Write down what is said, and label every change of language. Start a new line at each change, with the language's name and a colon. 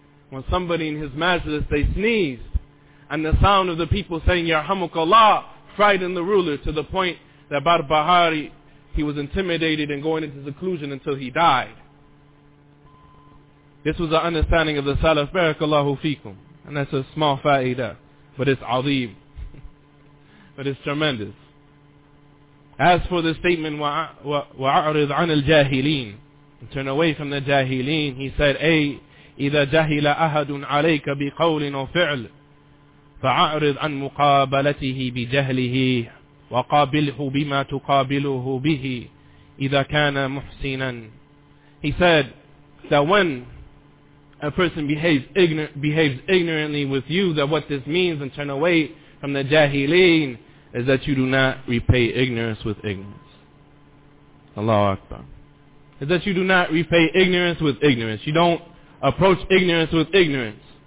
English: When somebody in his majlis, they sneezed, and the sound of the people saying, Yarhamukallah, frightened the ruler to the point that Barbahari, he was intimidated and going into seclusion until he died. This was the understanding of the Salaf, Barakallahu Fikum. And that's a small fa'ida, but it's azim. But it's tremendous. As for the statement,
Arabic: وَأَعْرِضْ عَنِ الْجَاهِلِينَ,
English: turn away from the jahileen, he said,
Arabic: أي إِذَا جَهِلَ أَحَدٌ عَلَيْكَ بِقَوْلٍ وَفِعْلٍ فَأَعْرِضْ عَنْ مُقَابَلَتِهِ بِجَهْلِهِ وَقَابِلْهُ بِمَا تُقَابِلُهُ بِهِ إِذَا كَانَ مُحْسِنًا.
English: He said that when a person behaves ignorantly with you, that what this means, and turn away from the jahileen, is that you do not repay ignorance with ignorance. Allahu Akbar. Is that you do not repay ignorance with ignorance. You don't approach ignorance with ignorance.